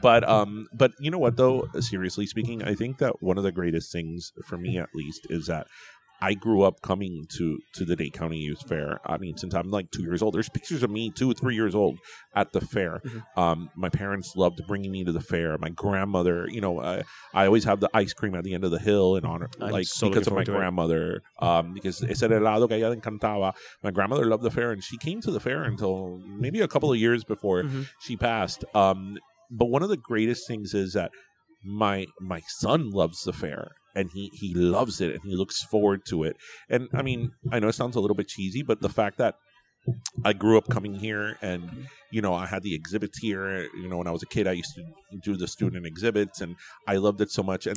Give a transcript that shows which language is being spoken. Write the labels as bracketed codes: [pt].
[en] But you know what, though? Seriously speaking, I think that one of the greatest things for me, at least, is that I grew up coming to the Dade County Youth Fair. I mean, since I'm like 2 years old, there's pictures of me 2 or 3 years old at the fair. Mm-hmm. My parents loved bringing me to the fair. My grandmother, you know, I always have the ice cream at the end of the hill in honor, because of my grandmother. Because [es] ese helado que ella encantaba. [en] My grandmother loved the fair, and she came to the fair until maybe a couple of years before she passed. But one of the greatest things is that my son loves the fair. And he loves it, and he looks forward to it. And, I mean, I know it sounds a little bit cheesy, but the fact that I grew up coming here and, you know, I had the exhibits here, you know, when I was a kid, I used to do the student exhibits, and I loved it so much.